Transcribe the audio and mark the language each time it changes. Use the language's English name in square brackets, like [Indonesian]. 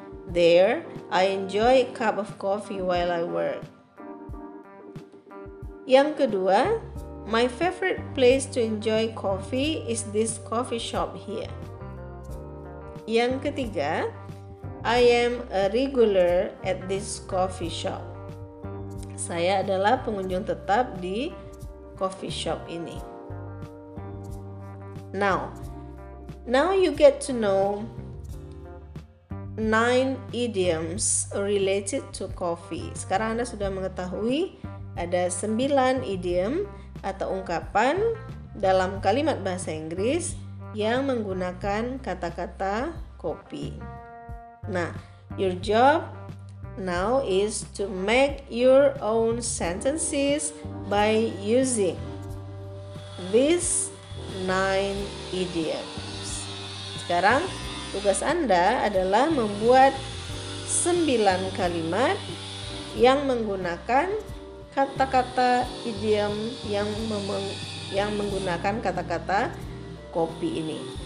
[English] There, I enjoy a cup of coffee while I work. [Indonesian] Yang kedua, [English] my favorite place to enjoy coffee is this coffee shop here. [Indonesian] Yang ketiga, [English] I am a regular at this coffee shop. [Indonesian] Saya adalah pengunjung tetap di coffee shop ini. [English] Now you get to know 9 idioms related to coffee. [Indonesian] Sekarang Anda sudah mengetahui ada 9 idiom atau ungkapan dalam kalimat bahasa Inggris yang menggunakan kata-kata kopi. [English] Nah, your job now is to make your own sentences by using these 9 idioms. [Indonesian] Sekarang tugas Anda adalah membuat 9 kalimat yang menggunakan kata-kata idiom yang menggunakan kata-kata kopi ini.